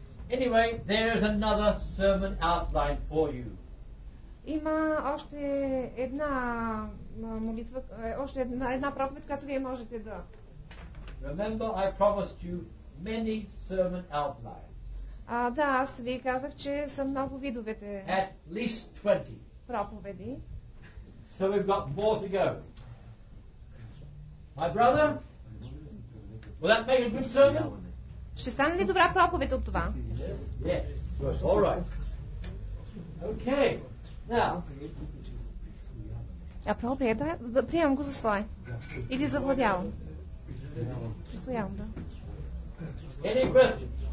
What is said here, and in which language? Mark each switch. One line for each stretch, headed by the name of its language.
English: Anyway, there is another sermon outline for you.
Bulgarian: Има още една молитва, още една проповед, която вие можете да.
English: Remember, I promised you many sermon outlines.
Bulgarian: А да, аз ви казах, че са много видовете.
English: At least 20.
Bulgarian: Проповеди.
English: So we've got more to go. My brother, will that make a good sermon?
Bulgarian: Ще стане ли добра проповед от това?
English: Yes. Yes. All right. Okay. Now.
Bulgarian: А пробвай да приемам го за свое. Или завладявам. Присвоявам, да.
English: Any questions?